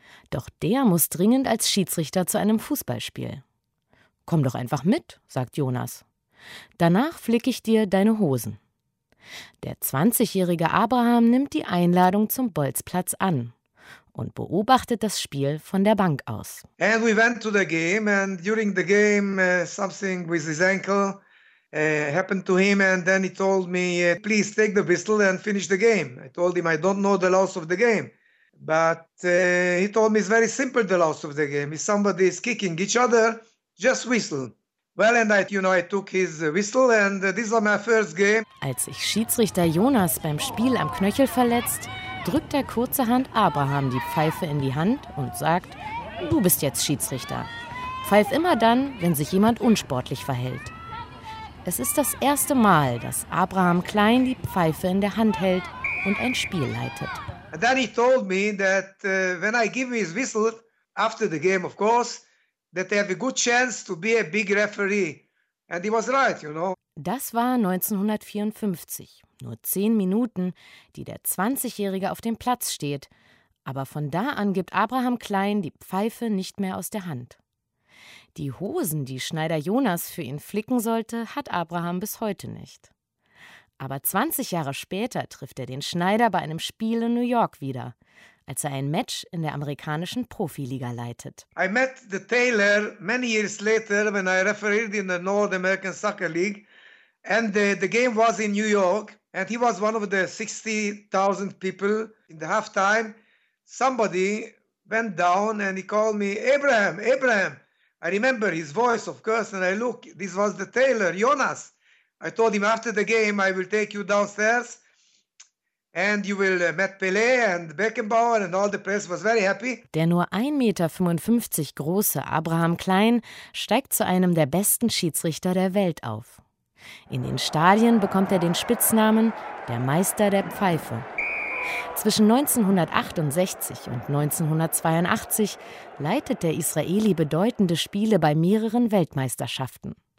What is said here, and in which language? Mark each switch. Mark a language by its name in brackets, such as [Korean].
[German] Doch der muss dringend als Schiedsrichter zu einem Fußballspiel. Komm doch einfach mit, sagt Jonas. Danach flicke ich dir deine Hosen. Der 20-jährige Abraham nimmt die Einladung zum Bolzplatz an. Und beobachtet das Spiel von der Bank aus. [English] And we went to the game and during the game something with his ankle happened to him, and then he told me, please take the pistol and finish the game. I told him, I don't know the laws of the game. But he told me it's very simple, the laws of the game. If somebody is kicking each other, just whistle. Well, and I took his whistle and this was my first game. [German] Als sich Schiedsrichter Jonas beim Spiel am Knöchel verletzt, drückt er kurzerhand Abraham die Pfeife in die Hand und sagt, du bist jetzt Schiedsrichter. Pfeif immer dann, wenn sich jemand unsportlich verhält. Es ist das erste Mal, dass Abraham Klein die Pfeife in der Hand hält und ein Spiel leitet. [English] And then he told me that when I give his whistle after the game, of course, that they have a good chance to be a big referee. And he was right, you know. [German] Das war 1954. Nur 10 Minuten, die der 20-Jährige auf dem Platz steht. Aber von da an gibt Abraham Klein die Pfeife nicht mehr aus der Hand. Die Hosen, die Schneider Jonas für ihn flicken sollte, hat Abraham bis heute nicht. Aber 20 Jahre später trifft er den Schneider bei einem Spiel in New York wieder, als er ein Match in der amerikanischen Profiliga leitet. [English] I met the Taylor many years later when I refereed in the North American Soccer League and the game was in New York and he was one of the 60,000 people in the halftime. Somebody went down and he called me, Abraham, Abraham. I remember his voice, of course, and I look, this was the Taylor, Jonas. I told him after the game, I will take you downstairs and you will meet Pelé and Beckenbauer and all the press was very happy. [German] Der nur 1,55 Meter große Abraham Klein steigt zu einem der besten Schiedsrichter der Welt auf. In den Stadien bekommt er den Spitznamen der Meister der Pfeife. Zwischen 1968 und 1982 leitet der Israeli bedeutende Spiele bei mehreren Weltmeisterschaften.